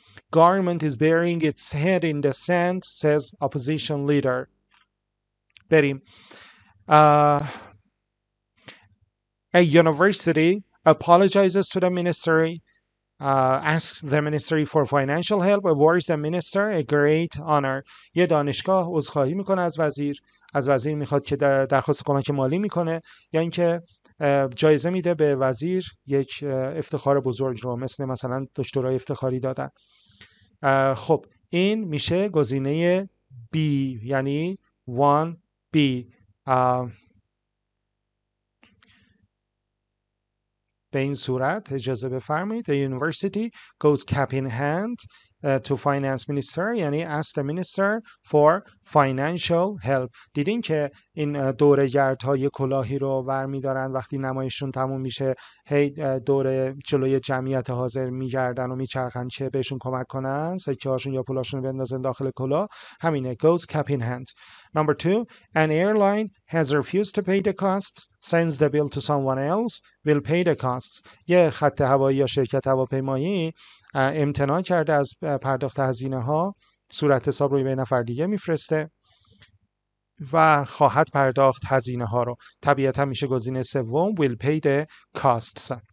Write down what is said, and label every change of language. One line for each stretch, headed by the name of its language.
English: Government is burying its head in the sand, says opposition leader.
Persian: بریم.
English: A university apologizes to the ministry, asks the ministry for financial help, awards the minister a great honor.
Persian: یه دانشگاه عذرخواهی میکنه از وزیر. از وزیر میخواد که درخواست کمک مالی میکنه. یا اینکه جایزه میده به وزیر یک افتخار بزرگ رو مثل مثلا دکترای افتخاری دادن. خب این میشه گزینه B یعنی 1B. به این صورت اجازه بفرمایید.
English: The university goes cap in hand to finance minister
Persian: یعنی
English: ask the minister for financial help.
Persian: دیدین که این دورگردهای کلاهی رو برمی‌دارن وقتی نمایششون تموم میشه هی دور جلوی جمعیت حاضر میگردن و میچرخن که بهشون کمک کنن سکه‌هاشون یا پولاشون رو بندازن داخل کلاه. همینه
English: goes cap in hand. Number two, an airline has refused to pay the costs, sends the bill to someone else, will pay the costs.
Persian: یه خط هوایی یا شرکت هواپیمایی امتناع کرده از پرداخت هزینه ها، صورت حساب روی به نفر دیگه میفرسته و خواهد پرداخت هزینه ها رو. طبیعتا میشه گزینه سوم
English: will pay the costs.